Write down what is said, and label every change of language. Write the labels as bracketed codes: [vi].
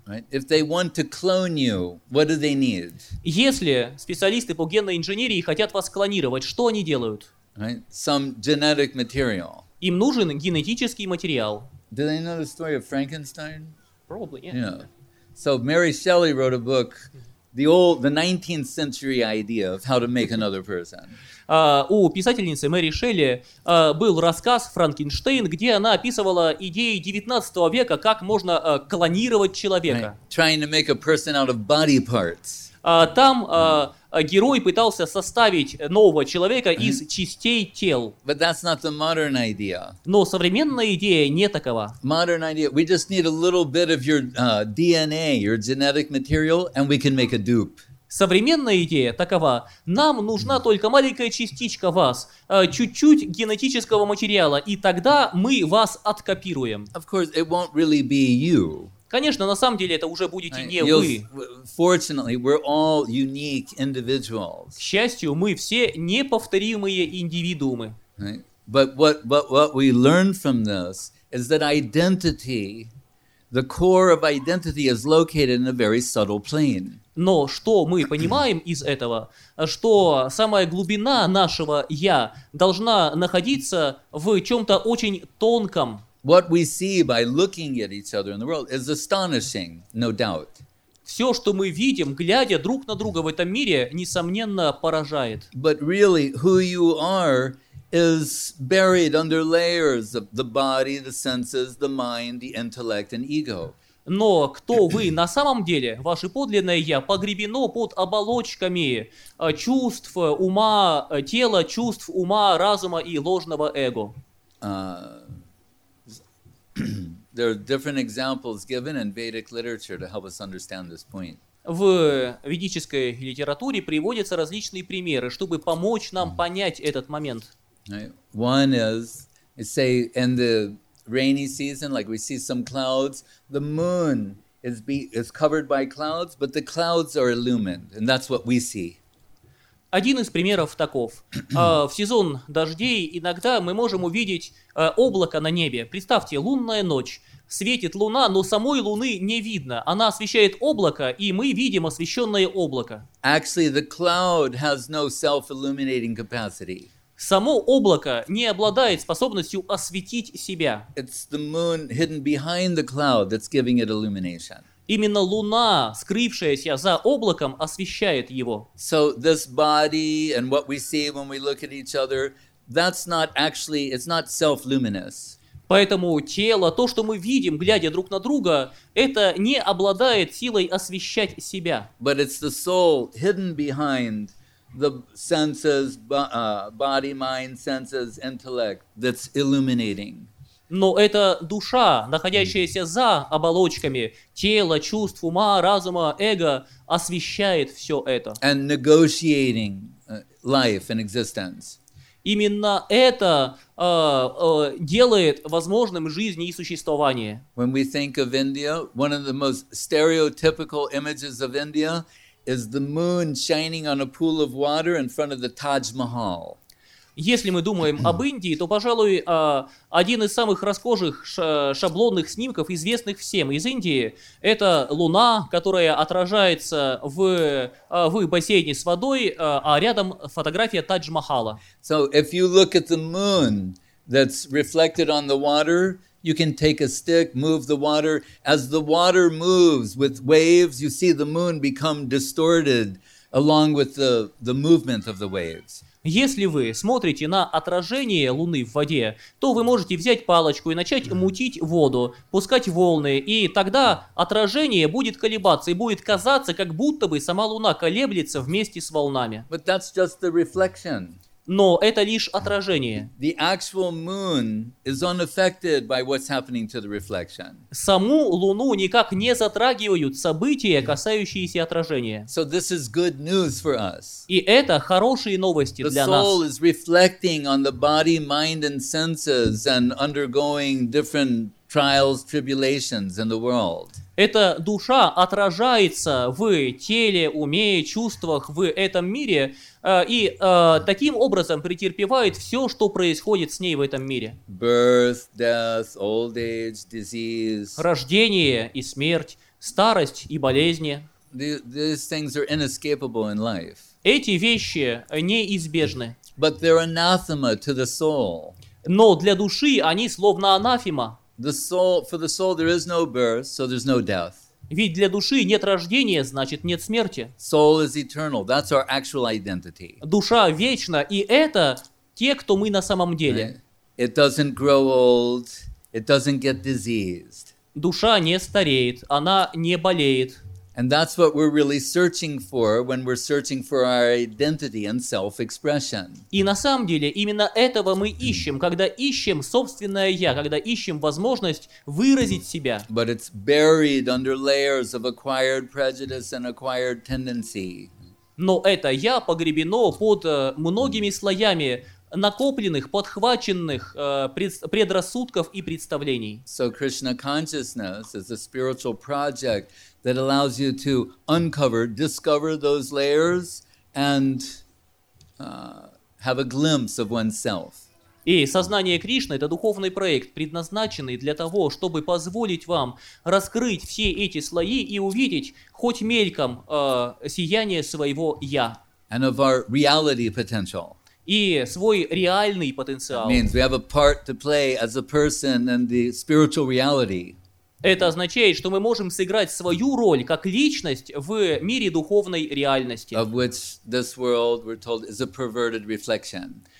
[en] Right? If they want to clone you, what do they need? [ru] Если специалисты по генной инженерии хотят вас клонировать, что они делают? [en] Right? Some genetic material. [ru] Им нужен генетический материал. [en] Do they know the story of Frankenstein? Probably, yeah. So Mary Shelley wrote a book, the 19th century idea of how to make another person. [ru] У писательницы Мэри Шелли был рассказ «Франкенштейн», где она описывала идеи 19 века, как можно клонировать человека. [en] Right. Trying to make a person out of body parts. [ru] там герой пытался составить нового человека из частей тел. [en] But that's not the modern idea. [ru] Но современная идея не такова. [en] Modern idea. We just need a little bit of your DNA, your genetic material, and we can make a dupe. [ru] Современная идея такова. Нам нужна только маленькая частичка вас, чуть-чуть генетического материала, и тогда мы вас откопируем. [en] Of course, it won't really be you. [ru] Конечно, на самом деле это уже будете не вы. [en] Fortunately, we're all unique individuals. [ru] К счастью, мы все неповторимые индивидуумы. [en] But what we learn from this is that identity, the core of identity is located in a very subtle plane. [ru] Но что мы понимаем из этого, что самая глубина нашего «я» должна находиться в чем-то очень тонком. [en] What we see by looking at each other in the world is astonishing, no doubt. [ru] Все, что мы видим, глядя друг на друга в этом мире, несомненно, поражает. [en] But really, who you are is buried under layers of the body, the senses, the mind, the intellect, and ego. [ru] Но кто вы на самом деле, ваше подлинное «я», погребено под оболочками чувств, ума, тела, чувств, ума, разума и ложного эго. [en] There are different examples given in Vedic literature to help us understand this point. [ru] В ведической литературе приводятся различные примеры, чтобы помочь нам понять этот момент. [en] Right. One is, say, in the rainy season, like we see some clouds, the moon is covered by clouds, but the clouds are illumined, and that's what we see. [ru] Один из примеров таков. В сезон дождей иногда мы можем увидеть облако на небе. Представьте, лунная ночь, светит луна, но самой луны не видно. Она освещает облако, и мы видим освещенное облако. [en] Actually, the cloud has no self-illuminating capacity. [ru] Само облако не обладает способностью осветить себя. [en] It's the moon hidden behind the cloud that's giving it illumination. [ru] Именно луна, скрывшаяся за облаком, освещает его. [en] So this body and what we see when we look at each other, that's not actually, it's not self-luminous. [ru] Поэтому тело, то, что мы видим, глядя друг на друга, это не обладает силой освещать себя. [en] But it's the soul hidden behind the senses, body, mind, senses, intellect, that's illuminating. [ru] Но это душа, находящаяся за оболочками тела, чувств, ума, разума, эго, освещает все это. [en] And negotiating life and existence. [ru] Именно это делает возможным жизнь и существование. [en] When we think of India, one of the most stereotypical images of India is the moon shining on a pool of water in front of the Taj Mahal. [ru] Если мы думаем об Индии, то, пожалуй, один из самых расхожих шаблонных снимков, известных всем из Индии, это луна, которая отражается в бассейне с водой, а рядом фотография Тадж-Махала. [en] So, if you look at the moon that's reflected on the water, you can take a stick, move the water. As the water moves with waves, you see the moon become distorted along with the movement of the waves. [ru] Если вы смотрите на отражение Луны в воде, то вы можете взять палочку и начать мутить воду, пускать волны, и тогда отражение будет колебаться и будет казаться, как будто бы сама Луна колеблется вместе с волнами. [en] But that's just the reflection. [ru] Но это лишь отражение. [en] The actual moon is unaffected by what's happening to the reflection. [ru] Саму Луну никак не затрагивают события, касающиеся отражения. [en] So this is good news for us. [ru] И это хорошие новости [en] the [ru] для нас. [en] The soul is reflecting on the body, mind, and senses and undergoing different trials, tribulations in the world. [ru] Эта душа отражается в теле, уме, чувствах в этом мире и таким образом претерпевает все, что происходит с ней в этом мире. [en] Birth, death, old age, disease. [ru] Рождение и смерть, старость и болезни. [en] These things are inescapable in life. [ru] Эти вещи неизбежны. [en] But they're anathema to the soul. [ru] Но для души они словно анафема. [en] For the soul, there is no birth, so there's no death. [ru] Ведь для души нет рождения, значит нет смерти. [en] Soul is eternal. That's our actual identity. [ru] Душа вечна, и это те, кто мы на самом деле. [en] It doesn't grow old. It doesn't get diseased. [ru] Душа не стареет, она не болеет. [en] And that's what we're really searching for when we're searching for our identity and self-expression. [ru] И на самом деле именно этого мы ищем, когда ищем собственное я, когда ищем возможность выразить себя. [en] But it's buried under layers of acquired prejudice and acquired tendency. [ru] Но это я погребено под многими слоями накопленных, подхваченных предрассудков и представлений. [en] So Krishna consciousness is a spiritual project that allows you to uncover, discover those layers and have a glimpse of oneself. [ru] И сознание Кришны — это духовный проект, предназначенный для того, чтобы позволить вам раскрыть все эти слои и увидеть хоть мельком сияние своего «я». [en] And of our reality potential. [ru] И свой реальный потенциал. [en] It means we have a part to play as a person and the spiritual reality. [ru] Это означает, что мы можем сыграть свою роль как личность в мире духовной реальности. [en] Of which this world, we're told, is a perverted reflection.